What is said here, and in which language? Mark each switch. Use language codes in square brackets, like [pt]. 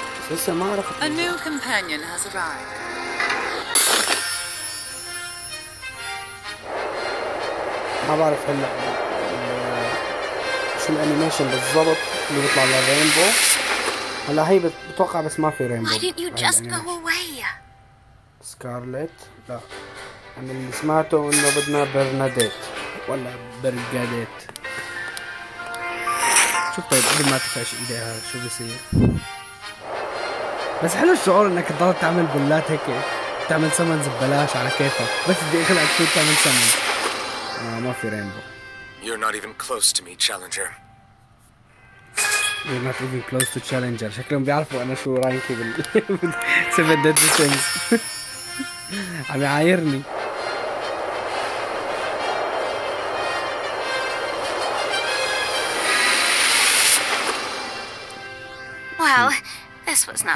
[ar] لسه ما عرفت. [en] A new companion has arrived. [ar] ما بعرف هلا شو الانيميشن بالضبط اللي بيطلع للرينبو. هلا هي بتوقع بس ما في رينبو. [en] Why didn't you just go away? [ar] سكارلت. لا انا اللي سمعته انه بدنا برناديت ولا برجاديت. شوف طيب قبل ما تفعش ايديها شو بصير. بس حلو الشعور انك تضل تعمل بلات هيك تعمل سمنز ببلاش على كيفك بس بدي اخلعك شو تعمل سمنز. آه ما في رينبو. [en] You're not even close to me, challenger. You're not even close to challenger. [ar] شكلهم بيعرفوا انا شو رانكي بال سيفن ديدلي سينز. عم يعايرني. [en] Well, this was not.